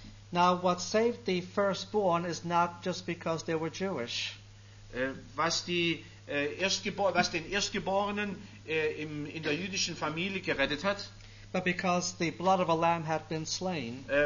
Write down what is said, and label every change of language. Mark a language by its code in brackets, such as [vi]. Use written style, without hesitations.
[en] Now what saved the firstborn is not just because they were Jewish. [de] Was den Erstgeborenen in der jüdischen Familie gerettet hat. [en] But because the blood of a lamb had been slain.